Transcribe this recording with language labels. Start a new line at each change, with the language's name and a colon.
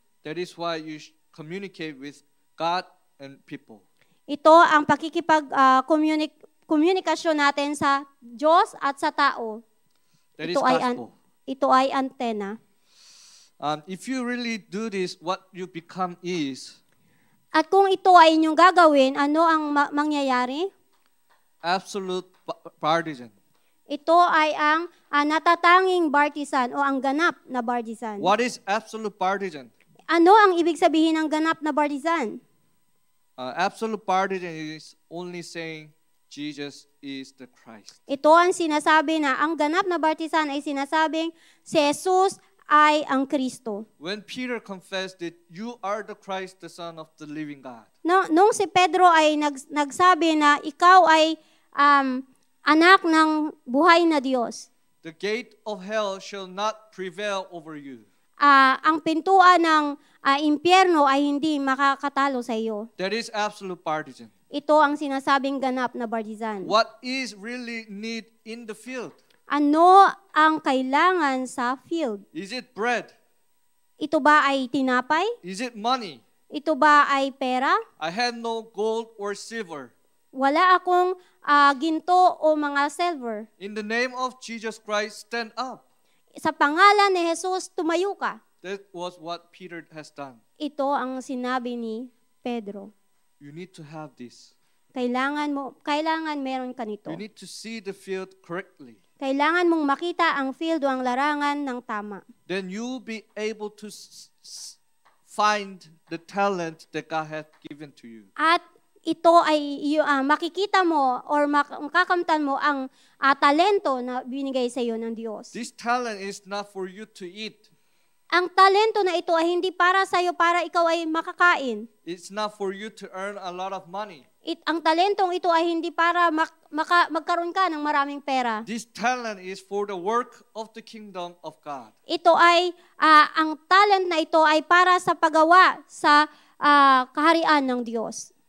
English: That is why you communicate with God and people.
Filipino: Ito ang pakikipag communication natin sa Diyos at sa tao.
English: That ito is ay gospel.
Filipino: Ito ay antenna.
English: If you really do this, what you become is,
Filipino: at kung ito ay inyong gagawin, ano ang mangyayari?
English: Absolute partisan.
Filipino: Ito ay ang natatanging partisan o ang ganap na partisan.
English: What is absolute partisan?
Filipino: Ano ang ibig sabihin ng ganap na partisan?
English: Absolute partisan is only saying Jesus is the Christ.
Filipino: Ito ang sinasabi na ang ganap na partisan ay sinasabing si Jesus ay ang Kristo.
English: When Peter confessed that you are the Christ, the Son of the living God.
Filipino: Nung si Pedro ay nagsabi na ikaw ay anak ng buhay na Diyos.
English: The gate of hell shall not prevail over you.
Filipino: ang pintuan ng impyerno ay hindi makakatalo sa iyo.
English: That is absolute partisan.
Filipino: Ito ang sinasabing ganap na partisan.
English: What is really need in the field?
Filipino: Ano ang kailangan sa field?
English: Is it bread?
Filipino: Ito ba ay tinapay?
English: Is it money?
Filipino: Ito ba ay pera?
English: I had no gold or silver.
Filipino: Wala akong ginto o mga silver.
English: In the name of Jesus Christ, stand up.
Filipino: Sa pangalan ni Jesus, tumayo ka.
English: That was what Peter has done.
Filipino: Ito ang sinabi ni Pedro.
English: You need to have this.
Filipino: Kailangan mo, kailangan meron ka nito.
English: You need to see the field correctly.
Filipino: Kailangan mong makita ang field o ang larangan ng tama.
English: Then you'll be able to find the talent that God has given to you.
Filipino: At ito ay makikita mo or makakamtan mo ang talento na binigay sa iyo ng Diyos.
English: This talent is not for you to eat.
Filipino: Ang talento na ito ay hindi para sa iyo para ikaw ay makakain.
English: It's not for you to earn a lot of money.
Filipino: Ang talentong ito ay hindi para magkaroon ka ng maraming pera.
English: This talent is for the work of the kingdom of God.
Filipino: Ito ay ang talent na ito ay para sa paggawa sa kaharian ng Diyos.